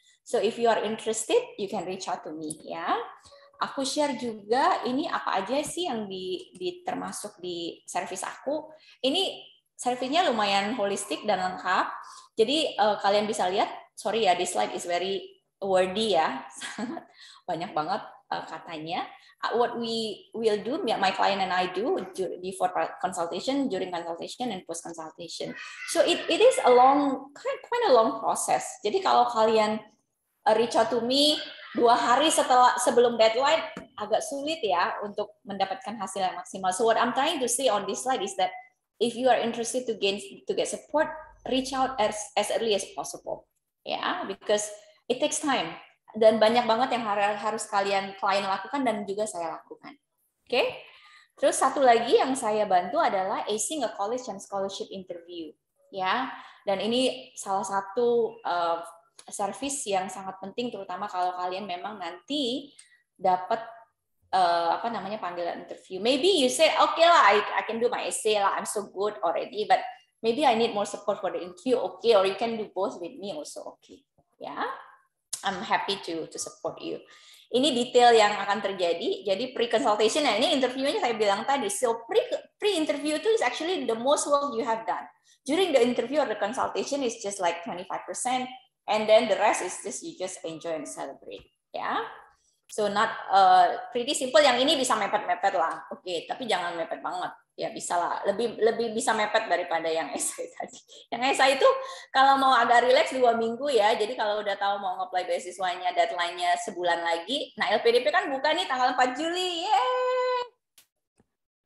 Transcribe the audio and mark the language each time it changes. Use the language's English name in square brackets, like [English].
[English] So if you are interested, you can reach out to me ya. [Indonesian] Aku share juga ini apa aja sih yang di termasuk di service aku. Ini surveinya lumayan holistik dan lengkap. Jadi kalian bisa lihat, [English] sorry ya, this slide is very wordy [Indonesian] ya, sangat banyak banget katanya. [English] What we will do, my client and I do before consultation, during consultation, and post consultation. So it is a long, quite a long process. [Indonesian] Jadi kalau kalian [English] reach out to me [Indonesian] 2 hari setelah sebelum deadline, agak sulit ya untuk mendapatkan hasil yang maksimal. [English] So what I'm trying to say on this slide is that if you are interested to get support, reach out as early as possible. Yeah, because it takes time. [Indonesian] Dan banyak banget yang harus kalian klien lakukan dan juga saya lakukan. Oke? Terus satu lagi yang saya bantu adalah [English] acing a college and scholarship interview. [Indonesian] Ya. Dan ini salah satu service yang sangat penting, terutama kalau kalian memang nanti dapat panggilan interview. [English] Maybe you say, okay lah, I can do my essay lah, I'm so good already, but maybe I need more support for the interview, okay, or you can do both with me also, okay. Ya. I'm happy to support you. [Indonesian] Ini detail yang akan terjadi. Jadi pre-consultation, nah ini interviewnya saya bilang tadi. [English] So pre-interview [Indonesian] itu [English] is actually the most work you have done. During the interview or the consultation is just like 25%, and then the rest is just you just enjoy and celebrate. Yeah. So not pretty simple. [Indonesian] Yang ini bisa mepet-mepet lah. Oke, tapi jangan mepet banget. Ya bisa lah. Lebih bisa mepet daripada yang essay tadi. Yang essay itu kalau mau agak relax 2 minggu ya. Jadi kalau udah tahu mau nge-apply beasiswanya, deadline-nya sebulan lagi. Nah, LPDP kan buka nih tanggal 4 Juli. Yeay!